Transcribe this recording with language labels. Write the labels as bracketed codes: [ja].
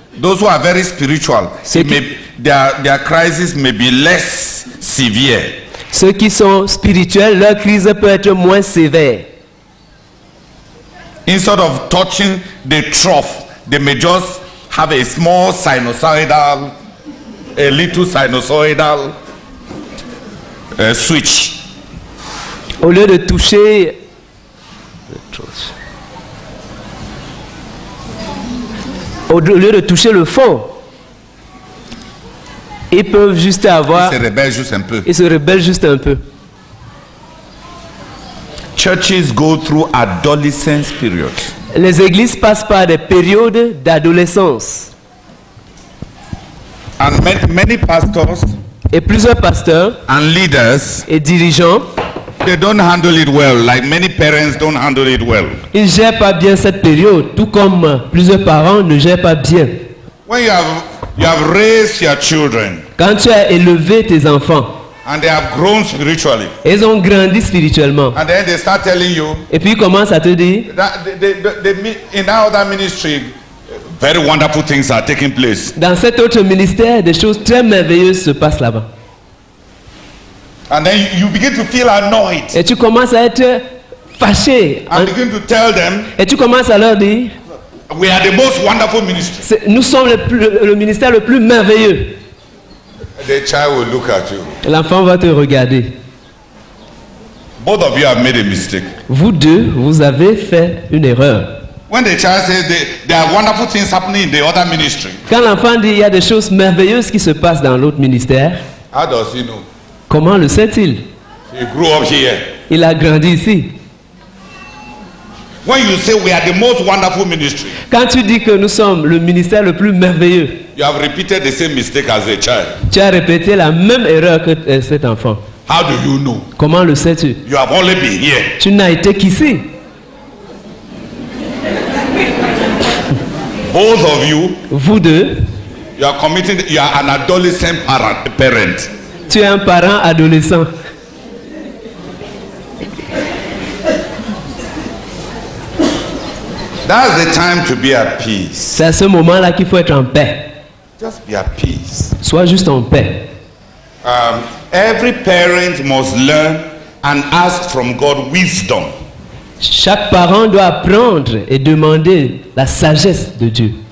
[en] Those who are very spiritual, their crisis may be less severe. [fr] Ceux qui sont spirituels, leur crise peut être moins sévère. [en] Instead of touching the trough, they may just have a small sinusoidal, a little sinusoidal switch. [fr] Au lieu de toucher, le fond, ils peuvent juste avoir. Ils se rebellent juste un peu. [en] Churches go through adolescence periods. [fr] Les églises passent par des périodes d'adolescence. [en] And many pastors [fr] et plusieurs pasteurs [en] and leaders [fr] et dirigeants, [en] they don't handle it well, like many parents don't handle it well. [fr] Ils ne gèrent pas bien cette période, tout comme plusieurs parents ne gèrent pas bien. [en] When you have raised your children, [fr] quand tu as élevé tes enfants, [en] and they have grown spiritually. [fr] Ils ont grandi spirituellement. [en] And then they start telling you. [fr] Et puis ils commencent à te dire. [en] In our other ministry, very wonderful things are taking place. [fr] Dans cet autre ministère, des choses très merveilleuses se passent là-bas. [en] And then you begin to feel annoyed. [fr] Et tu commences à être fâché. [en] And begin to tell them. [fr] Et tu commences à leur dire. [en] We are the most wonderful ministry. [fr] Nous sommes le ministère le plus merveilleux. [en] The child will look at you. [fr] L'enfant va te regarder. [en] Both of you have made a mistake. [fr] Vous deux, vous avez fait une erreur. [en] When the child says there are wonderful things happening in the other ministry. [fr] Quand l'enfant dit il y a des choses merveilleuses qui se passent dans l'autre ministère. [en] How does he know? [fr] Comment le sait-il? [en] He grew up here. [fr] Il a grandi ici. [en] When you say we are the most wonderful ministry. [fr] Quand tu dis que nous sommes le ministère le plus merveilleux. [en] You have repeated the same mistake as a child. [fr] Tu as répété la même erreur que cet enfant. [en] How do you know? [fr] Comment le sais-tu? [en] You have only been here. [fr] Tu n'as été qu'ici. [en] Both of you. [fr] Vous deux. [en] You are committing. You are an adolescent parent. [fr] Tu es un parent adolescent. [en] That's the time to be at peace. [fr] C'est à ce moment-là qu'il faut être en paix. [en] Just be at peace. [fr] Sois juste en paix. [en] Every parent must learn and ask from God wisdom. [fr] Chaque parent doit apprendre et demander la sagesse de Dieu.